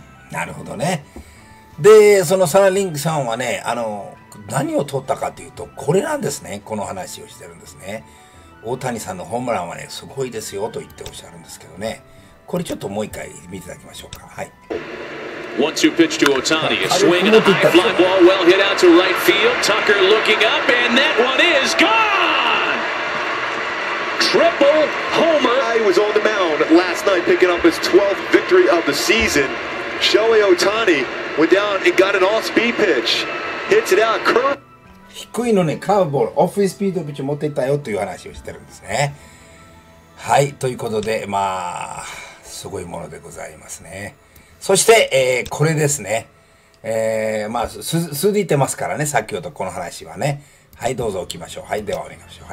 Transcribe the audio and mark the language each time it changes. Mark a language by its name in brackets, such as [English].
[Japanese] なるほどね。で、そのサラ・リングさんはね、何を取ったかというと、これなんですね。この話をしてるんですね。大谷さんのホームランはね、すごいですよと言っておっしゃるんですけどね。これちょっともう一回見ていただきましょうか。はい。 [English] 1-2 pitch to Otani, a swing and a high fly ball, well hit out to right field, Tucker looking up, and that one is gone! Triple homer! He was on the mound last night picking up his 12th victory of the season. Shohei Otani went down and got an off-speed pitch, hits it out, curve... [Japanese] 低いのね、カーブボール、オフスピードピッチ持っていったよという話をしてるんですね。はい、ということで、まあ、すごいものでございますね。そして、これですね。まあ、続いてますからね、先ほどこの話はね。はい、どうぞ置きましょう。はい、ではお願いしましょう。